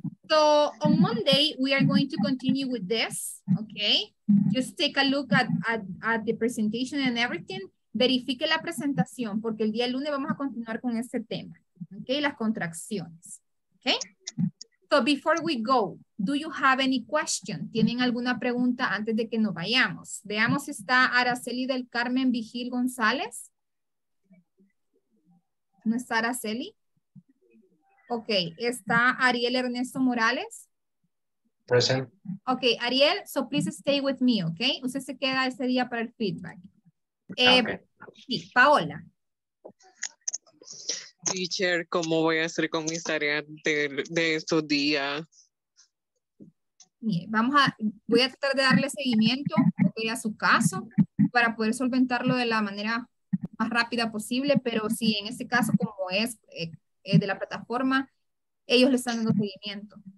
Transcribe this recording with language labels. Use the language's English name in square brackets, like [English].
[English] So on Monday, we are going to continue with this. Okay. Just take a look at the presentation and everything. [Spanish] Verifique la presentación porque el día lunes vamos a continuar con este tema. Okay. Las contracciones. Okay. [English] So before we go, do you have any question? [Spanish] ¿Tienen alguna pregunta antes de que nos vayamos? Veamos si está Araceli del Carmen Vigil González. ¿No está Araceli? Ok, ¿está Ariel Ernesto Morales? [English] Present. Ok, Ariel, so please stay with me, ok? [Spanish] Usted se queda ese día para el feedback. [English] Okay. [Spanish] Sí, Paola. Teacher, ¿cómo voy a hacer con mis tareas de estos días? Bien, voy a tratar de darle seguimiento a su caso para poder solventarlo de la manera más rápida posible, pero sí, en este caso, como es de la plataforma, ellos le están dando seguimiento.